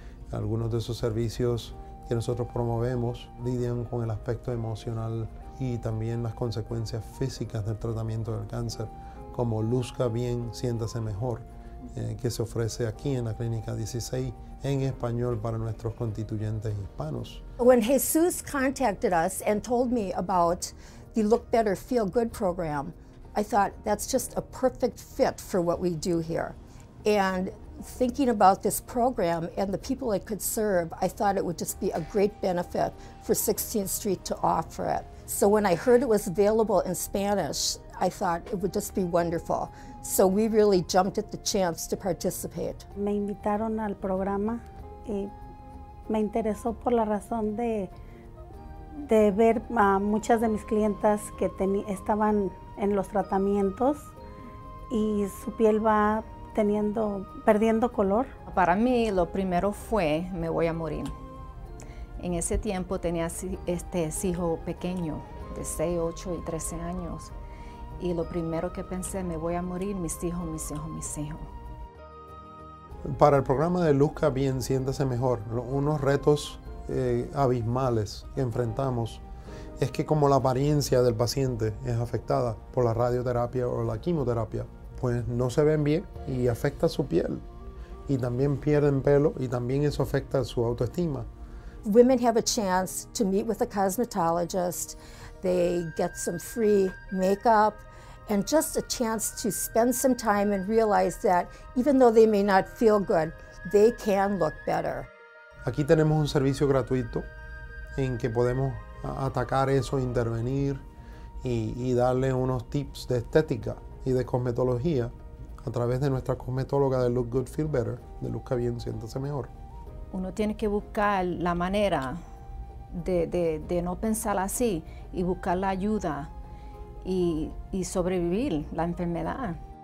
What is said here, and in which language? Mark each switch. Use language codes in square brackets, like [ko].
[es] Algunos de esos servicios que nosotros promovemos lidian con el aspecto emocional y también las consecuencias físicas del tratamiento del cáncer, como Luzca Bien, Siéntase Mejor, que se ofrece aquí en la Clínica 16 en español para nuestros constituyentes hispanos. [en] When Jesús contacted us and told me about the Look Better, Feel Good program, I thought that's just a perfect fit for what we do here. And thinking about this program and the people it could serve, I thought it would just be a great benefit for 16th Street to offer it. So when I heard it was available in Spanish, I thought it would just be wonderful. So we really jumped at the chance to participate. [es] Me invitaron al programa y me interesó por la razón de ver a muchas de mis clientas que estaban en los tratamientos y su piel va perdiendo color. Para mí lo primero fue, me voy a morir. En ese tiempo tenía este hijo pequeño de 6, 8 y 13 años y lo primero que pensé, me voy a morir, mis hijos. Para el programa de Luzca Bien, Siéntase Mejor, unos retos abismales que enfrentamos es que como la apariencia del paciente es afectada por la radioterapia o la quimioterapia, pues no se ven bien y afecta su piel y también pierden pelo y también eso afecta su autoestima. [en] Women have a chance to meet with a cosmetologist, they get some free makeup and just a chance to spend some time and realize that even though they may not feel good, they can look better. [es] Aquí tenemos un servicio gratuito en que podemos atacar eso, intervenir y darle unos tips de estética y de cosmetología a través de nuestra cosmetóloga de [en] Look Good, Feel Better, [es] de Luzca Bien, Siéntase Mejor. Uno tiene que buscar la manera de no pensar así y buscar la ayuda y sobrevivir la enfermedad.